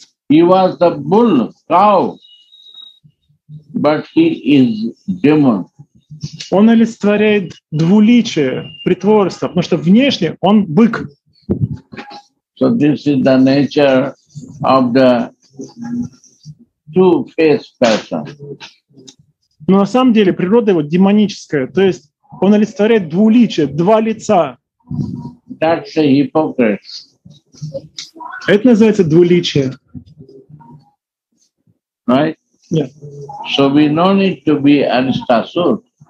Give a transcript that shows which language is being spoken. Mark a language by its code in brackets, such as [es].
[en] He was the bull, cow, but he is demon. [ru] Он олицетворяет двуличие, притворство, потому что внешне он бык. [en] So this is the nature of the two-faced person. [ru] Но на самом деле природа его демоническая, то есть он олицетворяет двуличие, два лица. [en] That's a hypocrite. [ru] Это называется двуличие. [en] Right? Yeah. So we no need to be Arishtasur.